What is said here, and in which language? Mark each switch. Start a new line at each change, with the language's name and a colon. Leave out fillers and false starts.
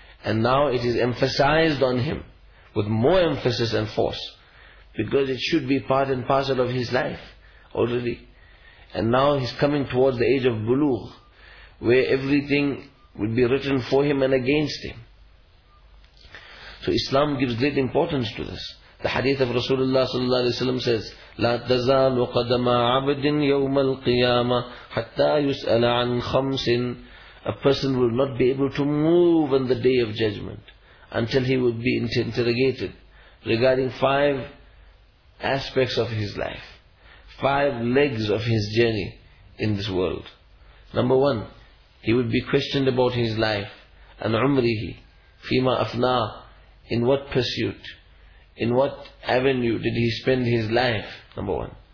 English: And now it is emphasized on him with more emphasis and force, because it should be part and parcel of his life already. And now he's coming towards the age of bulugh, where everything will be written for him and against him. So Islam gives great importance to this. The hadith of Rasulullah sallallahu alaihi wasallam says,
Arabic: لا تزال قدم عبد يوم القيامة حتى يسأل عن خمس.
English: A person will not be able to move on the day of judgment until he would be interrogated regarding 5 aspects of his life, 5 legs of his journey in this world. Number 1, he would be questioned about his life, and
Arabic: umrihi, fima afna,
English: in what pursuit, in what avenue did he spend his life, number 1.